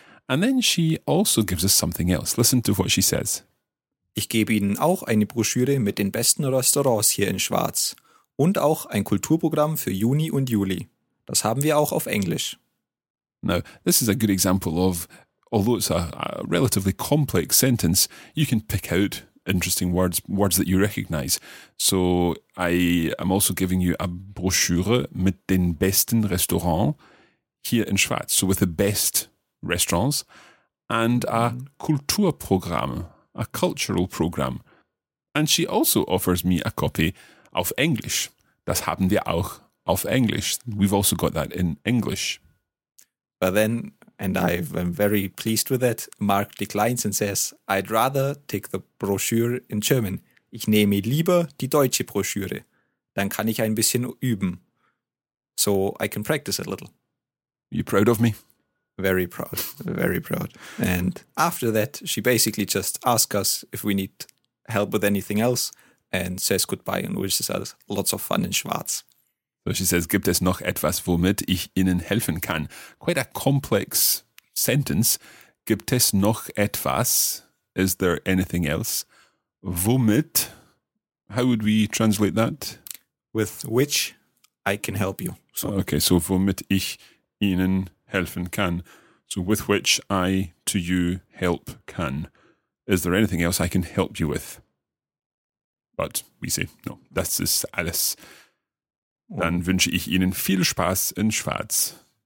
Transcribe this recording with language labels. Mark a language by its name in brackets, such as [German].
[English] And then she also gives us something else. Listen to what she says. [German] Ich gebe Ihnen auch eine Broschüre mit den besten Restaurants hier in Schwaz und auch ein Kulturprogramm für Juni und Juli. Das haben wir auch auf Englisch. [English] Now, this is a good example of, although it's a relatively complex sentence, you can pick out interesting words, words that you recognize. So, I am also giving you a brochure [German] mit den besten Restaurants hier in Schwaz, [English] so with the best restaurants, and a Kulturprogramm. a cultural program. And she also offers me a copy auf Englisch. [German] Das haben wir auch auf Englisch. [English] We've also got that in English. But then, and I'm very pleased with that, Mark declines and says, I'd rather take the brochure in German. [German] Ich nehme lieber die deutsche Broschüre. Dann kann ich ein bisschen üben. [English] So I can practice a little. You proud of me? Very proud, very proud. And after that, she basically just asks us if we need help with anything else and says goodbye and wishes us lots of fun in Schwarz. So she says, [German] gibt es noch etwas, womit ich Ihnen helfen kann? [English] Quite a complex sentence. [German] Gibt es noch etwas? [English] Is there anything else? Womit? How would we translate that? With which I can help you. [German] So womit ich Ihnen helfen kann. [English] So with which I to you help can. Is there anything else I can help you with? But we say, no, [German] das ist alles. Dann wünsche ich Ihnen viel Spaß in Schwarz.